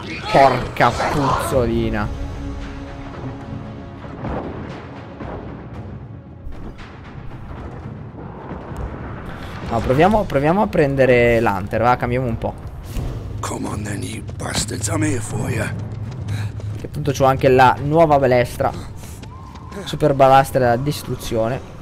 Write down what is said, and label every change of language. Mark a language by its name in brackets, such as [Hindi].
[Italian] Porca puzzolina. No, proviamo a prendere l'hunter, va, cambiamo un po'. [English] Come on then, you bastards, I'm here for you. [Italian] Che appunto c'ho anche la nuova balestra. Super balestra della distruzione.